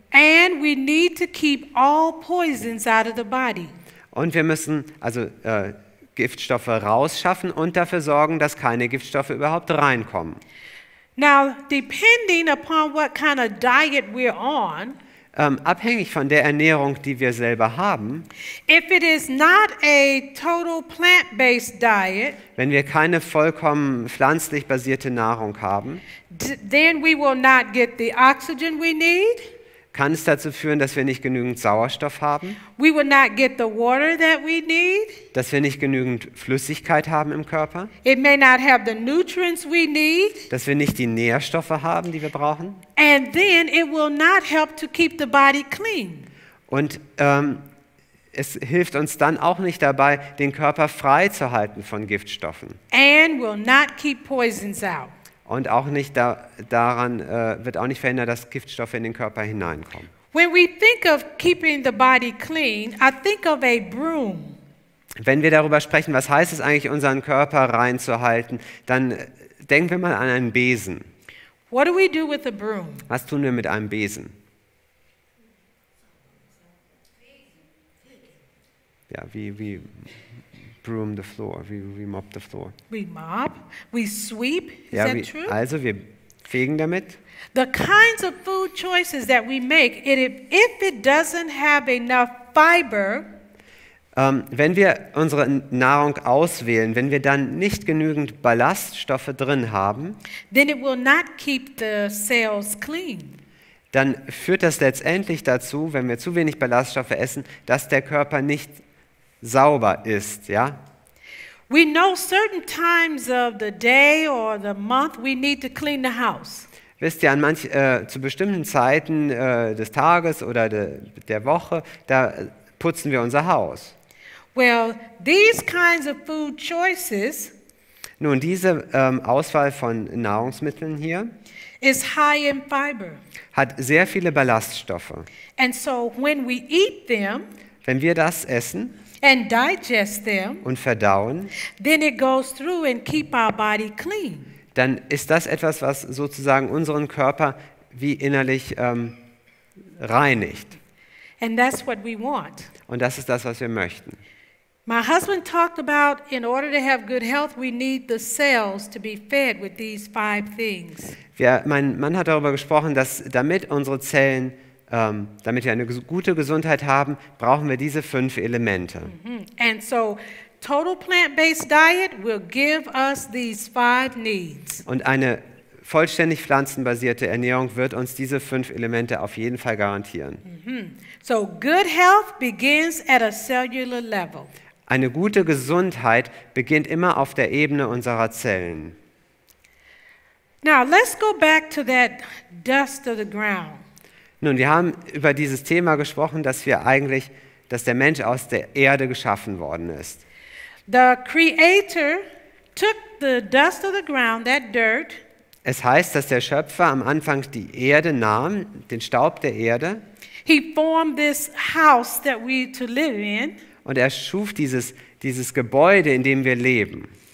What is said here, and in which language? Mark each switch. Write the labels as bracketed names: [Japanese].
[English] And we need to keep all poisons out of the body. [German] Und wir müssen also Giftstoffe rausschaffen und dafür sorgen, dass keine Giftstoffe überhaupt reinkommen. [English] Now, depending upon what kind of diet we're on, [German] abhängig von der Ernährung, die wir selber haben, [English] if it is not a total plant-based diet, [German] wenn wir keine vollkommen pflanzlich basierte Nahrung haben, [English] then we will not get the oxygen we need. [German] Kann es dazu führen, dass wir nicht genügend Sauerstoff haben? [English] We will not get the water that we need. [German] Dass wir nicht genügend Flüssigkeit haben im Körper? [English] It may not have the nutrients we need. [German] Dass wir nicht die Nährstoffe haben, die wir brauchen? [English] And then it will not help to keep the body clean. [German] Und es hilft uns dann auch nicht dabei, den Körper frei zu halten von Giftstoffen. [English] And will not keep poisons out. [German] Und auch nicht daran wird auch nicht verhindert, dass Giftstoffe in den Körper hineinkommen. [English] When we think of keeping the body clean, I think of a broom. [German] Wenn wir darüber sprechen, was heißt es eigentlich, unseren Körper reinzuhalten, dann denken wir mal an einen Besen. [English] What do we do with a broom? [German] Was tun wir mit einem Besen? [English] Ja, wie broom the floor, we mop the floor. We mop, we sweep, is ja, that true? [German] Also wir fegen damit. [English] The kinds of food choices that we make, if it doesn't have enough fiber, [German] wenn wir unsere Nahrung auswählen, wenn wir dann nicht genügend Ballaststoffe drin haben, [English] then it will not keep the cells clean. [German] Dann führt das letztendlich dazu, wenn wir zu wenig Ballaststoffe essen, dass der Körper nicht sauber ist, ja? [English] We know certain times of the day or the month we need to clean the house. [German] Wisst ihr, zu bestimmten Zeiten des Tages oder der Woche, da putzen wir unser Haus. [English] Well, these kinds of food choices. [German] Nun, diese Auswahl von Nahrungsmitteln hier [English] is high in fiber. [German] Hat sehr viele Ballaststoffe. [English] And so when we eat them, [German] wenn wir das essen, [English] and digest them, [German] und verdauen, [English] then it goes through and keep our body clean. [German] Dann ist das etwas, was sozusagen unseren Körper wie innerlich reinigt. [English] And that's what we want. [German] Und das ist das, was wir möchten. [English] My husband talked about, in order to have good health, we need the cells to be fed with these 5 things. [German] Mein Mann hat darüber gesprochen, dass damit unsere Zellen damit wir eine gute Gesundheit haben, brauchen wir diese 5 Elemente. [English] And so, total plant-based diet will give us these 5 needs. [German] Und eine vollständig pflanzenbasierte Ernährung wird uns diese 5 Elemente auf jeden Fall garantieren. [English] So, good health begins at a cellular level. [German] Eine gute Gesundheit beginnt immer auf der Ebene unserer Zellen. [English] Now let's go back to that dust of the ground. [German] Nun, wir haben über dieses Thema gesprochen, dass der Mensch aus der Erde geschaffen worden ist. [English] The Creator took the dust of the ground, that dirt. [German] Es heißt, dass der Schöpfer am Anfang die Erde nahm, den Staub der Erde. [English] He formed this house that we to live in. [German] Und er schuf dieses Gebäude, in dem wir leben.